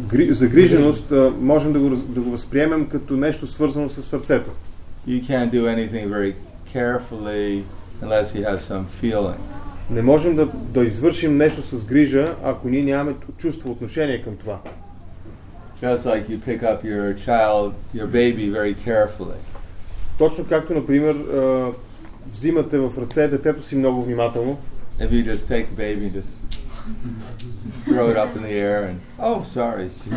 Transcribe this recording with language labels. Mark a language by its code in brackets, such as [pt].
[bg] Загриженост можем да го възприемем като нещо свързано с сърцето. [en] You can't do anything very carefully unless you have some feeling. [bg] Не можем да извършим нещо с грижа, ако ние нямаме чувство, отношение към това. [en] Just like you pick up your child, your baby very carefully. [bg] Точно както, например, взимате в ръце детето си много внимателно. [en] If you just take the baby, just throw it up in the air and oh, sorry.